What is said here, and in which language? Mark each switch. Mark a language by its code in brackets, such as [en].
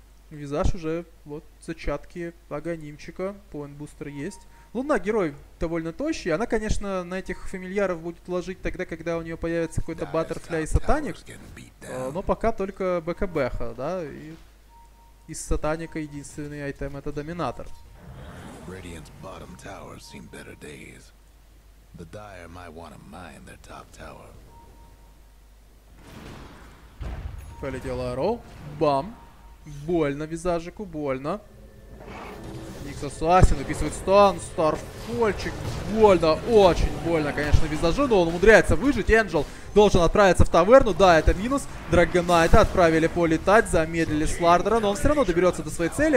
[ru] Визаж уже, вот, зачатки аганимчика, поинт-бустер есть. Луна герой довольно тощий, она, конечно, на этих фамильяров будет ложить тогда, когда у нее появится какой-то баттерфля и сатаник, но пока только БКБ-ха, да, и из сатаника единственный айтем это доминатор. [en] Radiant's bottom towers seem better days. The Dire might want to mine their top tower. [ru] Полетела Арроу, бам. Больно визажику, больно. Никс Ассасин выписывает стан, Старфольчик. Больно, очень больно, конечно, визажу, но он умудряется выжить. Энджел должен отправиться в таверну. Да, это минус. Драгонайта отправили полетать, замедлили Слардера, но он все равно доберется до своей цели.